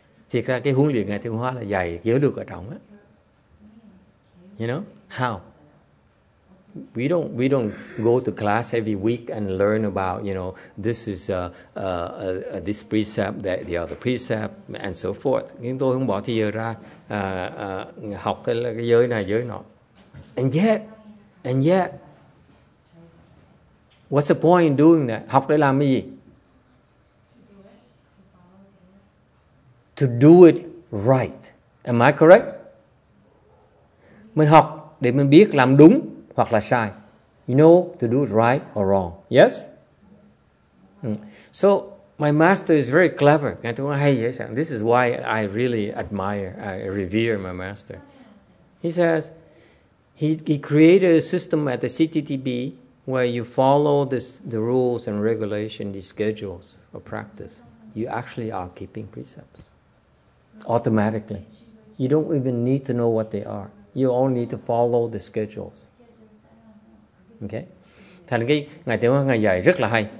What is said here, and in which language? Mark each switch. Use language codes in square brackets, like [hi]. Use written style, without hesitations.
[vi] Thiệt ra cái huấn luyện Ngài Thiên Hóa là dạy giới luật ở trong á. [en] You know? How? We don't go to class every week and learn about, this is this precept, that the other precept, and so forth. [vi] Nhưng tôi không bỏ thời giờ ra học cái giới này, giới nọ. [en] And yet, what's the point in doing that? [vi] Học để làm cái gì? [en] To do it right. Am I correct? [vi] Mình học để mình biết làm đúng hoặc là sai. [en] You know, to do it right or wrong. Yes? So, my master is very clever. This is why I really admire, I revere my master. He says, he created a system at the CTTB where you follow the rules and regulations, the schedules of practice. You actually are keeping precepts. Automatically. You don't even need to know what they are. You only need to follow the schedules. Okay? [vi] Thành cái ngài tiểu ngài dạy rất là hay.